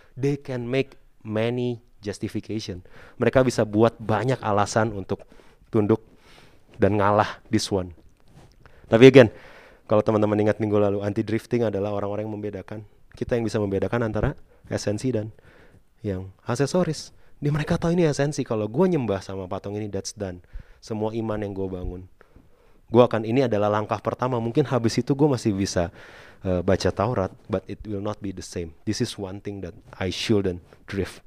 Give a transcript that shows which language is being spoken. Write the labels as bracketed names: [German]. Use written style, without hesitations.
[English] They can make many justification. [Indonesian] Mereka bisa buat banyak alasan untuk tunduk dan ngalah [English] this one. [Indonesian] Tapi again, kalau teman-teman ingat minggu lalu, anti-drifting adalah orang-orang yang membedakan. Kita yang bisa membedakan antara esensi dan yang aksesoris. Di mereka tahu ini esensi. Kalau gue nyembah sama patung ini, [English] that's done. [Indonesian] Semua iman yang gue bangun, gue akan, ini adalah langkah pertama. Mungkin habis itu gue masih bisa baca Taurat, [English] but it will not be the same. This is one thing that I shouldn't drift.